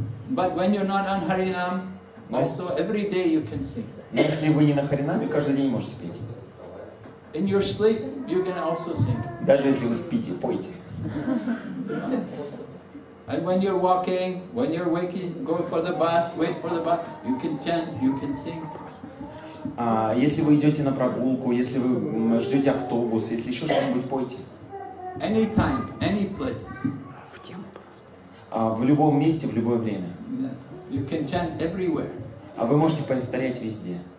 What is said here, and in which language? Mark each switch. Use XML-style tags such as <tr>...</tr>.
<en>But when you're not on Harinam, also every day you can sing.</en> <ru>Но если вы не на харинаме, каждый день можете петь.</ru> <en>In your sleep, you can also sing.</en> <ru>Даже если вы спите, пойте.</ru> <en>And when you're walking, when you're waking, go for the bus, wait for the bus, you can chant, you can sing.</en> <ru>Если вы идете на прогулку, если вы ждете автобус, если еще что-нибудь, пойте.</ru> <en>Anytime, any place.</en> <ru>В любом месте, в любое время.</ru> <en>Yeah. You can chant everywhere.</en> <ru>А вы можете повторять везде.</ru>